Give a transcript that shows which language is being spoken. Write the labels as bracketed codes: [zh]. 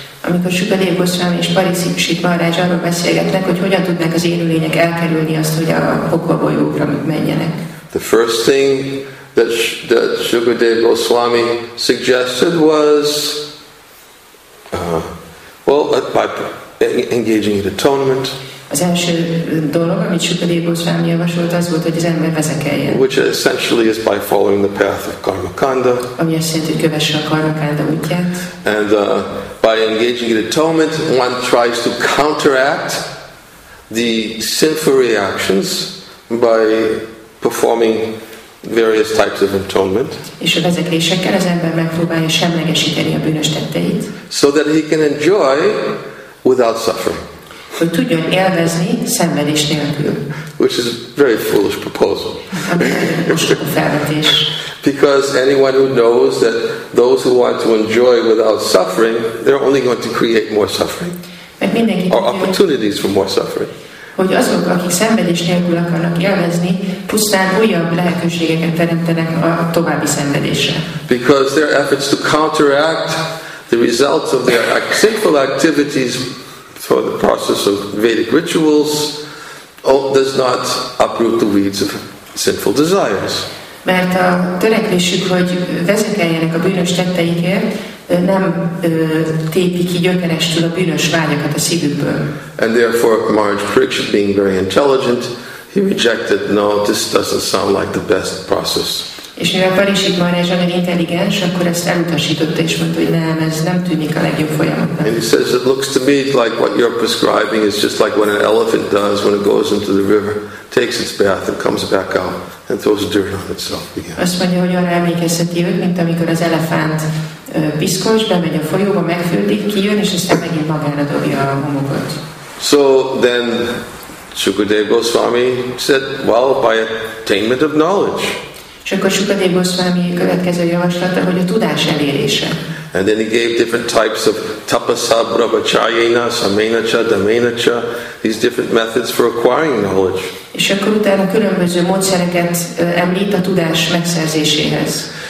[hu] Amikor Shukadeva Goswami és Parikshit Maharaj arról beszélgetnek, hogy hogyan tudnak az élőlények elkerülni azt, hogy a pokolbolyókra menjenek. [en] The first thing that Shukadeva Goswami suggested was, by engaging in atonement. [hu] Az első dolog, amit Shukadeva Goswami javasolt, az volt, hogy az ember vezekeljen. [en] Which essentially is by following the path of karmakanda. [hu] Ami azt jelenti, hogy kövesse a karmakanda útját. [en] And by engaging in atonement, one tries to counteract the sinful reactions by performing various types of atonement. [hu] És a vezetésekkel az ember megpróbálja semlegesíteni a bűnös tetteit. [en] So that he can enjoy without suffering. [hu] Hogy tudjon élvezni szenvedés nélkül. [en] Which is a very foolish proposal. [hu] Felvetés. [en] Because anyone who knows that those who want to enjoy without suffering, they're only going to create more suffering. [hu] Mert mindenki [en] or opportunities for more suffering. [hu] Hogy azok, akik szenvedés nélkül akarnak élvezni, pusztán újabb lehetőségeket teremtenek a további szenvedésre. [en] Because their efforts to counteract the results of their sinful activities for the process of Vedic rituals does not uproot the weeds of sinful desires. [hu] Mert a törekvésük, hogy vezekeljenek a bűnös tetteikért, nem tépi ki gyökerestül a bűnös vágyakat a szívükből. [en] And therefore, Maharaj Pariksit, being very intelligent, he rejected, no, this doesn't sound like the best process. [hu] És mivel Pariksit Maharaj olyan intelligens, akkor ezt elutasította, és mondta, hogy nem, ez nem tűnik a legjobb folyamatnak. [en] And he says, it looks to me like what you're prescribing is just like what an elephant does when it goes into the river, takes its bath, and comes back out, and throws dirt on itself again. [hu] Azt mondja, hogy arra emlékezheti őt, mint amikor az elefánt piszkos, bemegy a folyóba, megfürdik, kijön, és aztán megint magára dobja a homokot. [en] So then Shukadeva Goswami said, well, by attainment of knowledge. [hu] És akkor Shukadeva Goswami következő javaslata, hogy a tudás elérése. [en] And then he gave different types of tapasa, brahmacharyena, samenacha, damenacha, these different methods for acquiring knowledge. [hu] És akkor utána különböző módszereket említ a tudás megszerzéséhez.